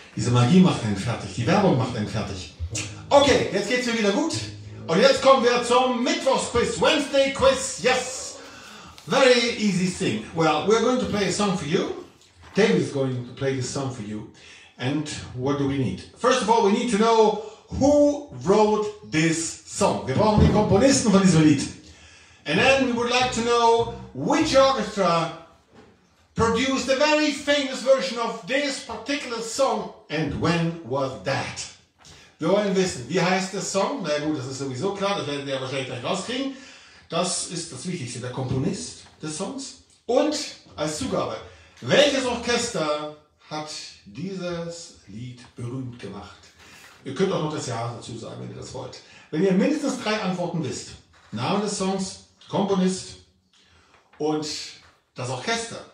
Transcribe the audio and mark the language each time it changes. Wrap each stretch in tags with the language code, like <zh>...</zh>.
<de>Magie macht einen fertig, die Werbung macht einen fertig. Okay, jetzt geht's mir wieder gut. Und jetzt kommen wir zum Mittwochsquiz,</de> <en>Wednesday Quiz, yes. Very easy thing. Well, we're going to play a song for you. David's going to play this song for you. And what do we need? First of all, we need to know who wrote this song.</en> <de>Wir brauchen den Komponisten von diesem Lied.</de> <en>And then we would like to know which orchestra produced the very famous version of this particular song. And when was that?</en> <de>Wir wollen wissen, wie heißt der Song? Na gut, das ist sowieso klar, das werdet ihr wahrscheinlich gleich rauskriegen. Das ist das Wichtigste, der Komponist des Songs. Und als Zugabe, welches Orchester hat dieses Lied berühmt gemacht? Ihr könnt auch noch das Jahr dazu sagen, wenn ihr das wollt. Wenn ihr mindestens drei Antworten wisst, Name des Songs, Komponist und das Orchester.</de>